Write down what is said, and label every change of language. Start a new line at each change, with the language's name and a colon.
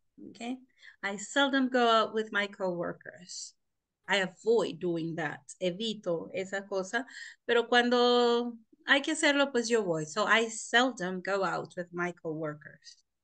English: Okay, I seldom go out with my coworkers. I avoid doing that.
Spanish: Evito esa cosa. Pero cuando hay que hacerlo, pues yo voy.
English: So I seldom go out with my coworkers.